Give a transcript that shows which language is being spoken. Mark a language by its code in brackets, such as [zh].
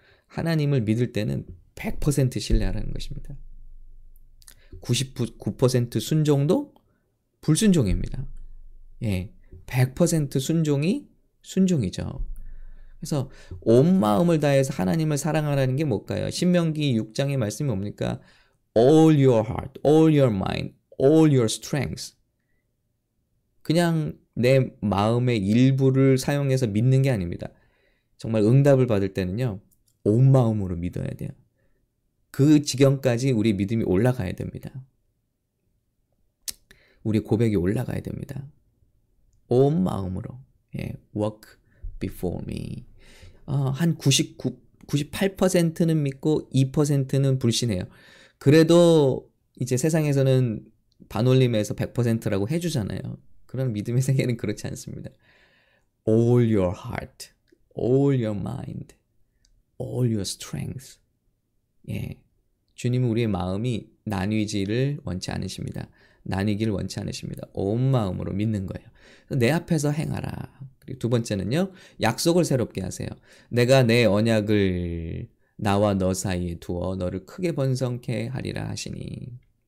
[ko] 하나님을 믿을 때는 100% 신뢰하라는 것입니다. 99% 순종도 불순종입니다. 예. 100% 순종이 순종이죠. 그래서 온 마음을 다해서 하나님을 사랑하라는 게 뭘까요? 신명기 6장의 말씀이 뭡니까? [en] All your heart, all your mind, all your strength. [ko] 그냥 내 마음의 일부를 사용해서 믿는 게 아닙니다. 정말 응답을 받을 때는요, 온 마음으로 믿어야 돼요. 그 지경까지 우리 믿음이 올라가야 됩니다. 우리 고백이 올라가야 됩니다. 온 마음으로, 예, [en] walk before me. [ko] 한 98%는 믿고 2%는 불신해요. 그래도 이제 세상에서는 반올림에서 100%라고 해주잖아요. 그런 믿음의 세계는 그렇지 않습니다. [en] All your heart, all your mind, all your strength. [ko] 예, 주님은 우리의 마음이 나뉘지를 원치 않으십니다. 나뉘기를 원치 않으십니다. 온 마음으로 믿는 거예요. 내 앞에서 행하라. 그리고 두 번째는요, 약속을 새롭게 하세요. 내가 내 언약을 나와 너 사이에 두어 너를 크게 번성케 하리라 하시니.